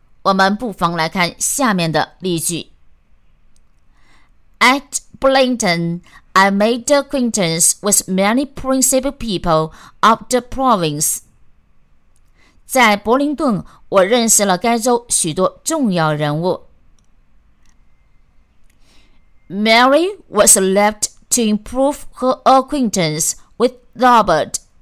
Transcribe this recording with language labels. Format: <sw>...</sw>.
<zh>我们不妨来看下面的例句。</zh> <en>At Blinton,I made acquaintance with many principal people of the province.</en> <zh>在柏林顿，我认识了该州许多重要人物。</zh> <en>Mary was left to improve her acquaintance with Robert.</en>